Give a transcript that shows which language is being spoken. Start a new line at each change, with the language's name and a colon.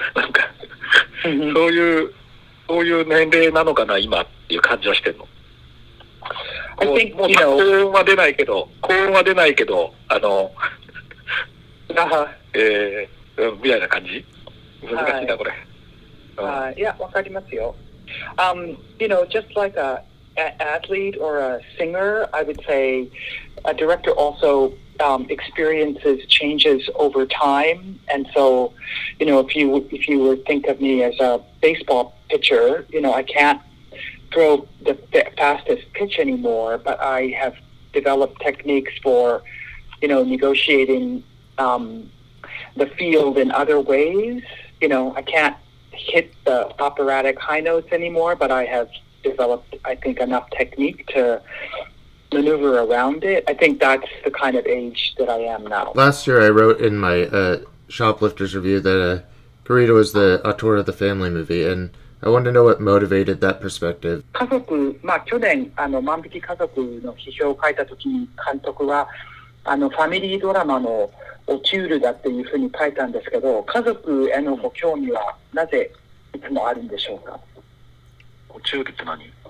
Japanese: なんか、そういう年齢なのかな、今っていう感じはしてんの。もう幸運は出ないけど、幸運は出ないけど、みたいな感じ？難しいな、これ。いや、わかりますよ。
English: You know, just like an athlete or a singer, I would say a director also experiences changes over time. And so, you know, if you were to think of me as a baseball pitcher, you know, I can't throw the fastest pitch anymore, but I have developed techniques for, you know, negotiating the field in other ways. You know, I can't hit the operatic high notes anymore, but I have developed, I think, enough technique to maneuver around it. I think that's the kind of age that I am now. Last year, I wrote in my Shoplifters review that Kurita was the auteur of the family movie, and I wanted to know what motivated that perspective.
Japanese: 家族、まあ、去年あの万引き家族の批評を書いた時に監督はあのファミリードラマのオチュールだっていうふうに書いたんですけど、家族へのご興味はなぜいつもあるんでしょうか？オチュールって何？